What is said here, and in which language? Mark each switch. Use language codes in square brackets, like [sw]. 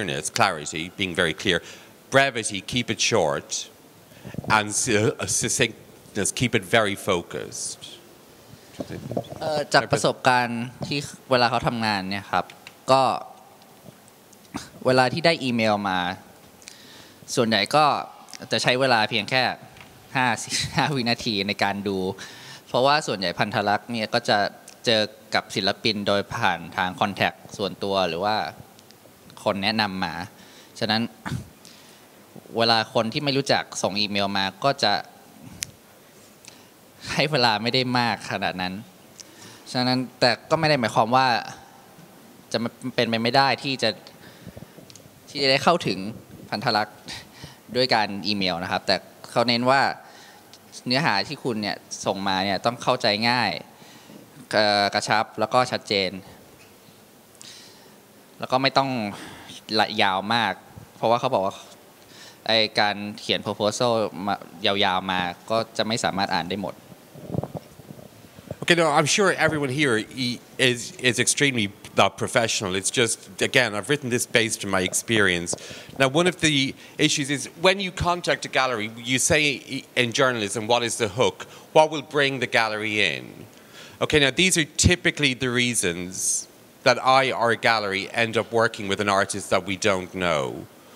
[en] Clarity, being very clear. Brevity, keep it short, and succinctness, keep it very focused. [th] จากประสบการณ์ที่เวลาเขาทำงานเนี่ยครับก็เวลาที่ได้อีเมลมาส่วนใหญ่ก็จะใช้เวลาเพียงแค่5วินาทีในการดูเพราะว่าส่วนใหญ่พันธลักษณ์เนี่ยก็จะเจอกับศิลปินโดยผ่านทางคอนแทคส่วนตัวหรือว่าคนแนะนำมาฉะนั้นเวลาคนที่ไม่รู้จักส่งอีเมลมาก็จะ ให้เวลาไม่ได้มากขนาดนั้นฉะนั้นแต่ก็ไม่ได้หมายความว่าจะเป็นไปไม่ได้ที่จะได้เข้าถึงพันธลักษณ์ด้วยการอีเมลนะครับแต่เขาเน้นว่าเนื้อหาที่คุณเนี่ยส่งมาเนี่ยต้องเข้าใจง่ายกระชับแล้วก็ชัดเจน แล้วก็ไม่ต้องละยาวมากเพราะว่าเขาบอกว่าไอ้การเขียน proposal มายาวๆมาก็จะไม่สามารถอ่านได้หมด [en] Okay, no, I'm sure everyone here is extremely professional. It's just, again, I've written this based on my experience. Now, one of the issues is when you contact a gallery, you say in journalism, what is the hook? What will bring the gallery in? Okay, now, these are typically the reasons that I or a gallery end up working with an artist that we don't know.